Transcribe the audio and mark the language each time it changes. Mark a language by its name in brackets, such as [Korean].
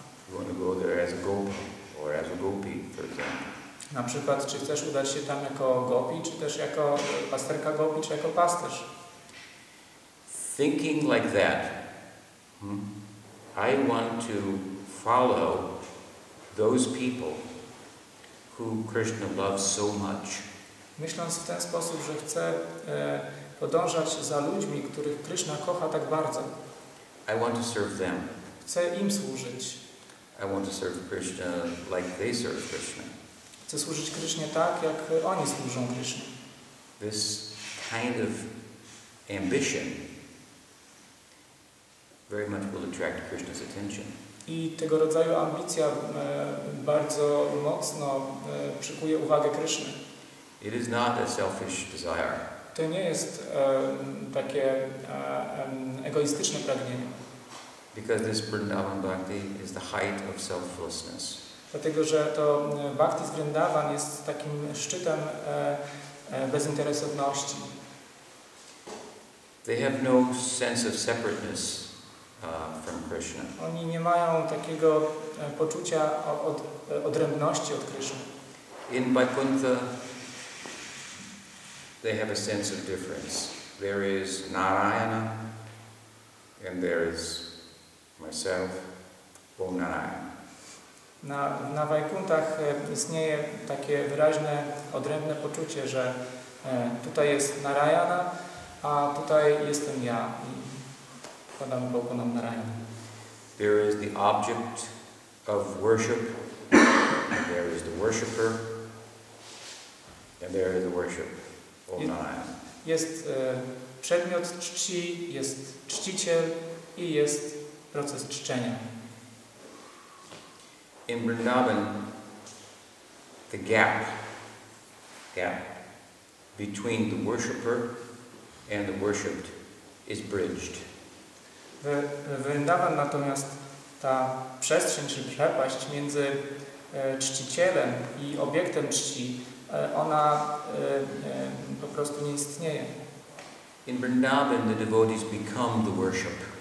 [English] You want to go there as a gopi or as a gopi, for example. [Polish] Na przykład, czy chcesz udać się tam jako gopi, czy też jako pasterka gopi, czy jako pasterz? [English] Thinking like that, I want to follow those people who Krishna loves so much. [Polish] Myśląc w ten sposób, że chcę podążać za ludźmi, których Krishna kocha tak bardzo. [English] I want to serve them. [Polish] Chcę im służyć. [English] I want to serve Krishna like they serve Krishna. [Polish] Chcę służyć Krysznie tak, jak oni służą Krysznie. [English] This kind of ambition very much will attract Krishna's attention. [Polish] I tego rodzaju ambicja bardzo mocno przykuje uwagę Kryszny. [English] It is not a selfish desire. [Polish] To nie jest takie egoistyczne pragnienie. [English] Because this Vrindavan bhakti is the height of selflessness. [Polish] Dlatego, że to Bhakti z Vrindavan jest takim szczytem bezinteresowności. [English] They have no sense of separateness from Krishna. [Polish] Oni nie mają takiego poczucia odrębności od Krishna. [English] In Vaikuntha, they have a sense of difference. There is Narayana and there is myself, Om Narayana. [Polish] Na Vaikunthach istnieje takie wyraźne, odrębne poczucie, że tutaj jest Narayana, a tutaj jestem ja i padam Bogu nam Narayana. [English] There is the object of worship, and there is the worshipper, and there is the worship of Narayana. [Polish] Jest przedmiot czci, jest czciciel i jest proces czczenia. [English] In Vrindavan, the gap between the worshipper and the worshipped is bridged. [Polish] W Vrindavan natomiast ta przestrzeń czy przepaść między czcicielem i obiektem czci, ona po prostu nie istnieje. [English] In Vrindavan, the devotees become the worship.